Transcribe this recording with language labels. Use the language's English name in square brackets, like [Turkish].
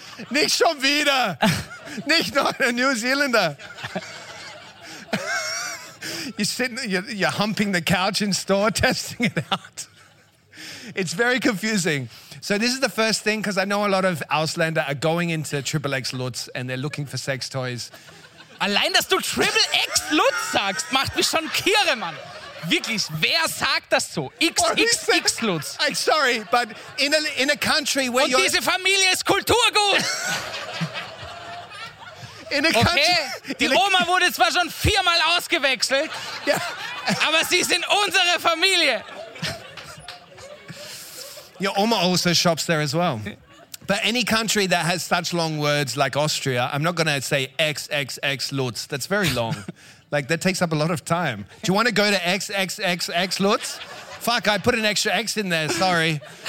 [German] Nicht schon wieder. Nicht noch ein New Zealander. [English] You're sitting, you're humping the couch in store, testing it out. It's very confusing. So this is the first thing, because I know a lot of Ausländer are going into Triple X Lutz and they're looking for sex toys. [German] Allein, dass du Triple X Lutz sagst, macht mich schon kirre, Mann. Wirklich, wer sagt das so? XXX Lutz. [English] I'm sorry, but in a country where you're... [German] Und diese Familie ist Kulturgut. [English] In a country... [German] Okay, die Oma wurde zwar schon viermal ausgewechselt, aber sie sind unsere Familie. [English] Your Oma also shops there as well. But any country that has such long words like Austria, I'm not going to say XXX Lutz. That's very long. Like, that takes up a lot of time. Do you want to go to XXXX Lutz? Fuck, I put an extra X in there, sorry.